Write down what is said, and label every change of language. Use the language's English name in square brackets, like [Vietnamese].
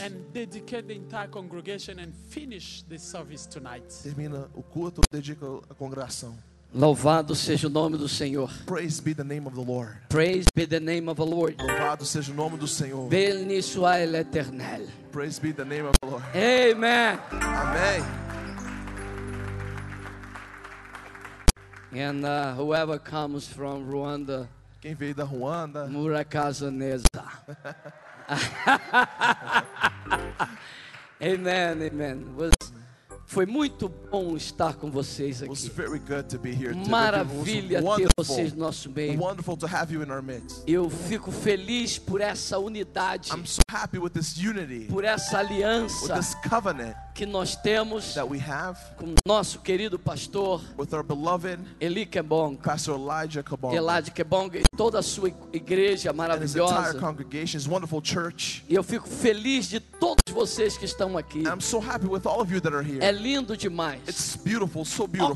[English] And dedicate the entire congregation and finish the service tonight. [Portuguese] Termina o culto, dedica a congregação. Louvado seja o nome do Senhor. [English] Praise be the name of the Lord. Praise be the name of the Lord. [Portuguese] Louvado seja o nome do Senhor. [French] Béni soit l'Éternel. [English] Praise be the name of the Lord. Amen. [Portuguese] Amém. [English] And whoever comes from Rwanda, [Portuguese] quem veio da Ruanda, [Kinyarwanda] Murakaza Neza. [English] Amen, amen. [Portuguese] Foi muito bom estar com vocês aqui. [English] It was very good to be here today. [Portuguese] Maravilha ter vocês no nosso meio. [English] Wonderful to have you in our midst. [Portuguese] Eu fico feliz por essa unidade. [English] I'm so happy with this unity. [Portuguese] Por essa aliança. [English] With this covenant. [Portuguese] Que nós temos. [English] That we have. [Portuguese] Com nosso querido pastor. [English] With our beloved. [Portuguese] Eli Kebong. [English] Pastor Elijah Kebong. [Portuguese] Elijah Kebong e toda a sua igreja maravilhosa. [English] And his entire congregation, his wonderful church. [Portuguese] E eu fico feliz de todos vocês que estão aqui. [English] I'm so happy with all of you that are here. [Portuguese] É lindo demais. [English] It's beautiful, so beautiful.